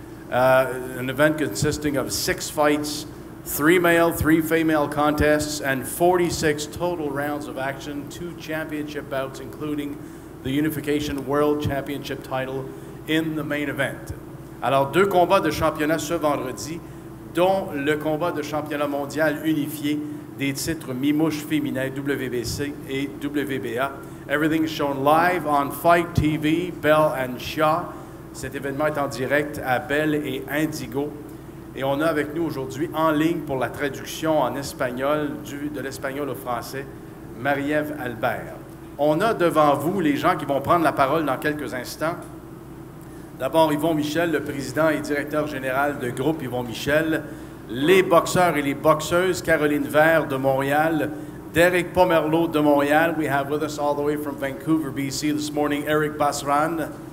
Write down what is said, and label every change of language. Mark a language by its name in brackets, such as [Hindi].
[English] An event consisting of 6 fights, 3 male, 3 female contests, and 46 total rounds of action, 2 championship bouts, including the Unification World Championship title in the main event. [French] Alors, 2 combats de championnat ce vendredi, dont le combat de championnat mondial unifié des titres Mimouche féminin WBC et WBA. [English] Everything is shown live on Fight TV, Bell and Shaw. [French] Cet événement est en direct à Bell et Indigo. Et on a avec nous aujourd'hui en ligne pour la traduction en espagnol, de l'espagnol au français, Marie-Ève Albert. On a devant vous les gens qui vont prendre la parole dans quelques instants. D'abord, Yvon Michel, le président et directeur général de groupe Yvon Michel. Les boxeurs et les boxeuses, Caroline Vert de Montréal, Derek Pomerleau de Montréal. [English] We have with us all the way from Vancouver, BC this morning, Eric Basran.